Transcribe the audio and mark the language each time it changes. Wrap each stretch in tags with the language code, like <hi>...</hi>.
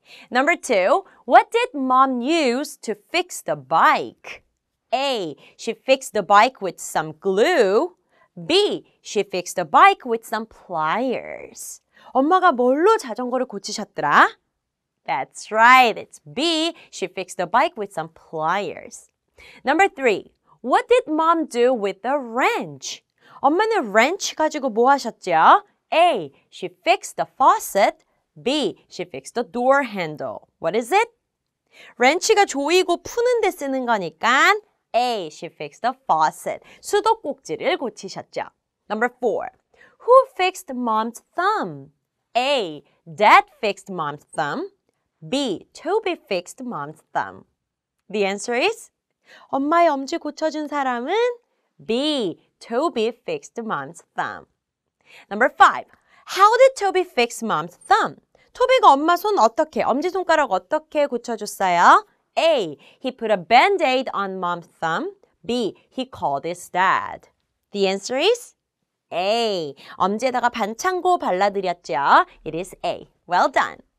<en>Number two, what did mom use to fix the bike? A, she fixed the bike with some glue. B, she fixed the bike with some pliers.</en> <ko>엄마가 뭘로 자전거를 고치셨더라?</ko> <en>That's right, it's B, she fixed the bike with some pliers. Number three, what did mom do with the wrench?</en> <ko>엄마는 wrench 가지고 뭐 하셨죠?</ko> <en>A, she fixed the faucet. B, she fixed the door handle. What is it?</en> <ko>렌치가 조이고 푸는 데 쓰는 거니까</ko> <en>A, she fixed the faucet.</en> <ko>수도꼭지를 고치셨죠.</ko> <en>Number four, who fixed mom's thumb? A, dad fixed mom's thumb. B, Toby fixed mom's thumb. The answer is</en> <ko>엄마의 엄지 고쳐준 사람은</ko> <en>B, Toby fixed mom's thumb. Number five, how did Toby fix mom's thumb?</en> <ko>토비가 엄마 손 어떻게, 엄지손가락 어떻게 고쳐줬어요?</ko> <en>A. He put a band-aid on mom's thumb. B. He called his dad. The answer is A.</en> <ko>엄지에다가 반창고 발라드렸죠.</ko> <en>It is A. Well done.</en>